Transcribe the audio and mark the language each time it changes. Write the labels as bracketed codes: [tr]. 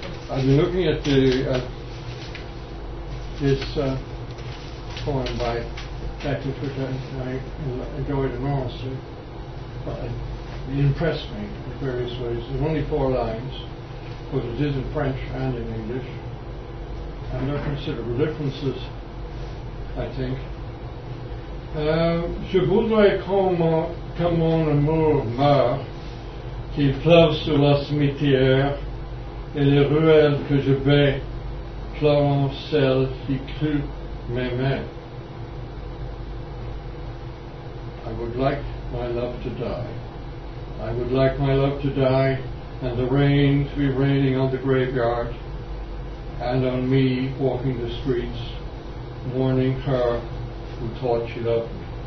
[en] I've been looking at this poem by Beckett, which I enjoyed enormously, but it impressed me in various ways. There's only four lines, because it is in French and in English, and there are considerable differences, I think. [fr] Je voudrais que mon amour meure, qu'il pleuve sur la cimetière et les ruelles que je vais. Pleurant celle qui crut m'aimer. [en] I would like my love to die. I would like my love to die and the rain to be raining on the graveyard and on me walking the streets, mourning her who thought she loved me.